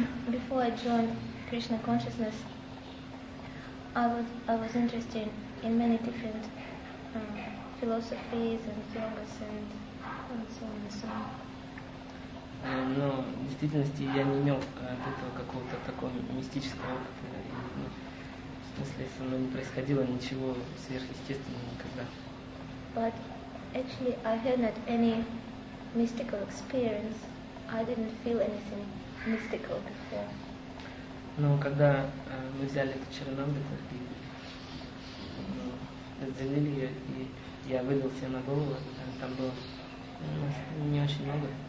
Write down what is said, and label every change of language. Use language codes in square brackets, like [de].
[en] before I joined Krishna consciousness, I was interested in many different philosophies and yogas and so on. [ru] Но в действительности я не имел от этого какого-то такого мистического опыта. Ну, в смысле, со мной не происходило ничего сверхъестественного никогда. [en] But actually I had not any mystical experience. I didn't feel anything mystical before. [ru] Но когда мы взяли эту чаранамриту и разделили ее, и я вылил себе на голову, там было не очень много.